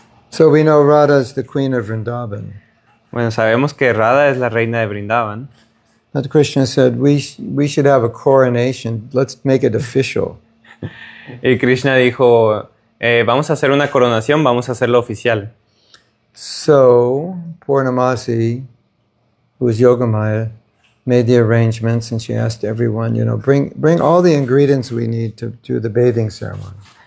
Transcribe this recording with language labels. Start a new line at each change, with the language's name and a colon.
English: So we know Radha is the queen of Vrindavan.
Spanish: Bueno, sabemos que Radha es la reina de Vrindavan.
English: But Krishna said we should have a coronation. Let's make it official.
Spanish: Y Krishna dijo, vamos a hacer una coronación, vamos a hacerlo oficial.
English: So, Purnamasi, who is Yogamaya, made the arrangements and she asked everyone, you know, bring all the ingredients we need to do the bathing ceremony.